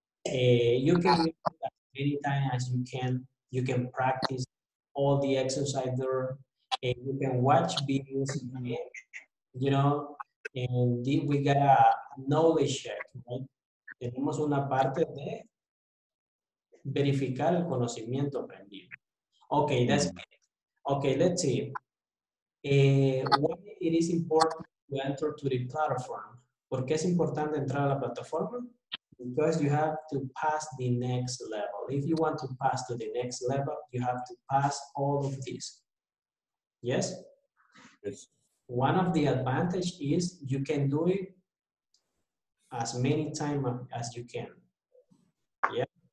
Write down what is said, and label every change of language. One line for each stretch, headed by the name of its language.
English: You can anytime as you can practice all the exercise there, and you can watch videos, you know, and we got a knowledge check, right?
Spanish: Tenemos una parte de verificar el conocimiento aprendido.
English: Okay, that's good. Okay, let's see. Why it is important to enter to the platform?
Spanish: ¿Por qué es importante entrar a la plataforma?
English: Because you have to pass the next level. If you want to pass to the next level, you have to pass all of this. Yes? Yes. One of the advantages is you can do it as many times as you can. Yeah.